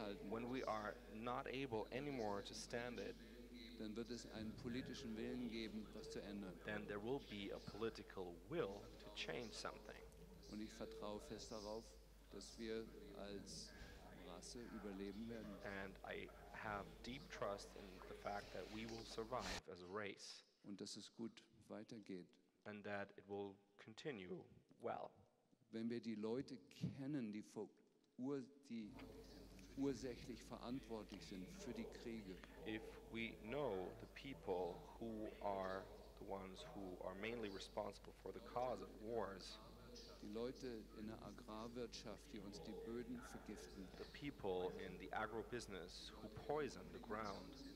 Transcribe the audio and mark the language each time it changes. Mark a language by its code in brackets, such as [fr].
[en] when we are not able anymore to stand it, [de] dann wird es einen politischen Willen geben, was zu ändern. [en] Then there will be a political will to change something. [de] Und ich vertraue fest darauf, dass wir als Rasse überleben werden. [en] And I have deep trust in the fact that we will survive as a race. [de] Und dass es gut weitergeht. [en] And that it will continue well. [de] Wenn wir die Leute kennen, die die ursächlich verantwortlich sind für die Kriege. [en] If we know the people who are the ones who are mainly responsible for the cause of wars, [de] die Leute in der Agrarwirtschaft, die uns die Böden vergiften, [en] the people in the agro-business who poison the ground,